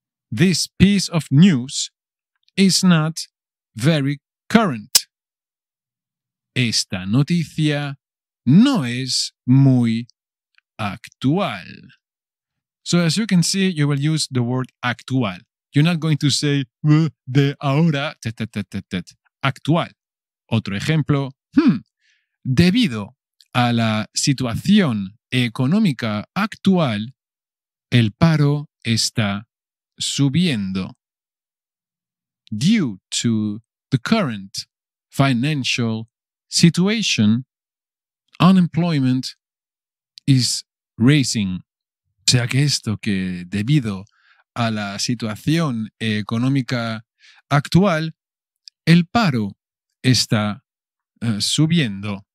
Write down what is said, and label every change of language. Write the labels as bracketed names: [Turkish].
[English] This piece of news is not very current. [Spanish] Esta noticia no es muy actual. [English] So as you can see, you will use the word actual. You're not going to say [Spanish] de ahora, actual. Otro ejemplo, debido a la situación económica actual, el paro está subiendo. [English] Due to the current financial situation, unemployment is rising. [Spanish] O sea que esto que debido a la situación económica actual, el paro está subiendo.